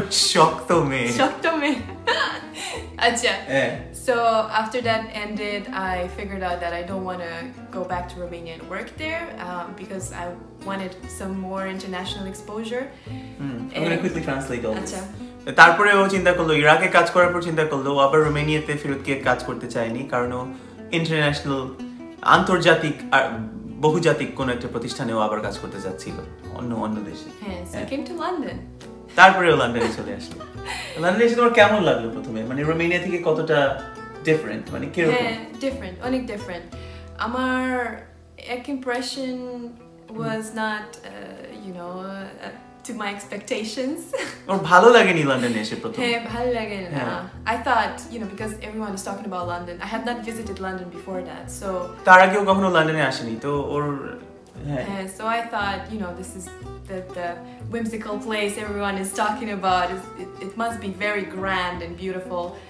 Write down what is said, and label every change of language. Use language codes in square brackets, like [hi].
[en] shokto me, shokto me. Acha. Yeah. So after that ended, I figured out that I don't want to go back to Romania and work there because I wanted some more international exposure. I'm going to quickly translate all this. [bn] তারপরে ও চিন্তা করলো ইরাকে কাজ করার পর চিন্তা করলো ও আবার রোমানিয়াতে ফিরত গিয়ে কাজ করতে চায়নি, কারণ ও ইন্টারন্যাশনাল, আন্তর্জাতিক আর বহুজাতিক কোন একটা প্রতিষ্ঠানে ও আবার কাজ করতে যাচ্ছিল অন্য অন্য দেশে। [en] Yeah, so I came to London. [bn] তারপরে ও লন্ডনে চলে আসলো। লন্ডনে এসে তোমার কেমন লাগলো প্রথমে, মানে রোমানিয়া থেকে কতটা ডিফারেন্ট, মানে কি রকম? হ্যাঁ, ডিফারেন্ট, অনেক ডিফারেন্ট। আমার এক [en] Impression was not you know to my expectations. [bn] ওর ভালো লাগেনি লন্ডনে এসে প্রথম? হ্যাঁ ভালো লাগে না। [en] I thought you know, because everyone is talking about London, I had not visited London before that, so [bn] তার আগে ও কখনো লন্ডনে আসেনি, তো ওর [en] Yeah, so I thought, you know, this is the whimsical place everyone is talking about. It must be very grand and beautiful.